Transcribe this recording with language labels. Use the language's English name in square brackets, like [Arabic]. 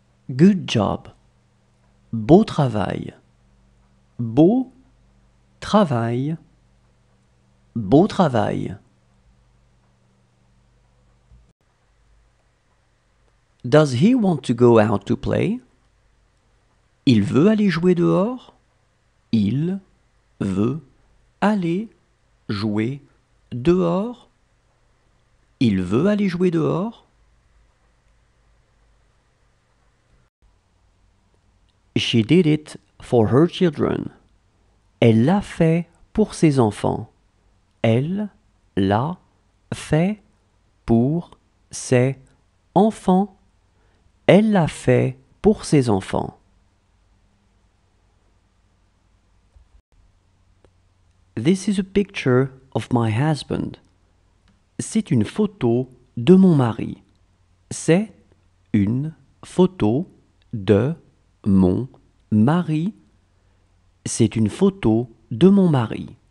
[English] Good job. [French] Beau travail. Beau travail. Beau travail. [English] Does he want to go out to play? [French] Il veut aller jouer dehors? Il veut aller jouer dehors? Il veut aller jouer dehors? [English] She did it for her children. [French] Elle l'a fait pour ses enfants. Elle l'a fait pour ses enfants. Elle l'a fait pour ses enfants. [English] This is a picture of my husband. [French] C'est une photo de mon mari. C'est une photo de mon mari. C'est une photo de mon mari.